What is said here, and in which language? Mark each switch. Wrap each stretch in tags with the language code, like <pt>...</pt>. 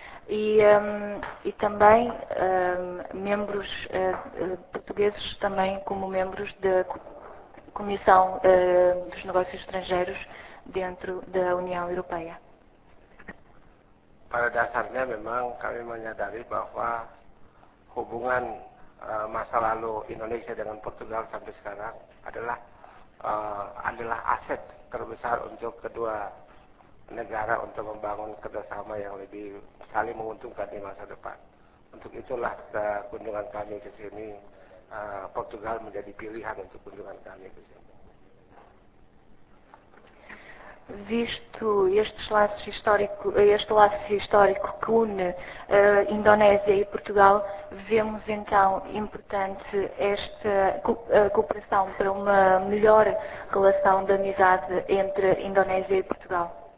<pt>E também membros portugueses, também como membros da Comissão dos Negócios Estrangeiros dentro da União Europeia.</pt> <id>Pada dasarnya memang kami menyadari bahwa hubungan masa lalu Indonesia dengan Portugal sampai sekarang adalah adalah aset terbesar untuk kedua negara untuk membangun kerjasama yang lebih saling menguntungkan di masa depan. Untuk itulah kunjungan kami ke sini, Portugal menjadi pilihan untuk kunjungan kami ke sini.</id> <pt>Visto este laço histórico que une Indonésia e Portugal, vemos então importante esta cooperação para uma melhor relação de amizade entre Indonésia e Portugal.</pt>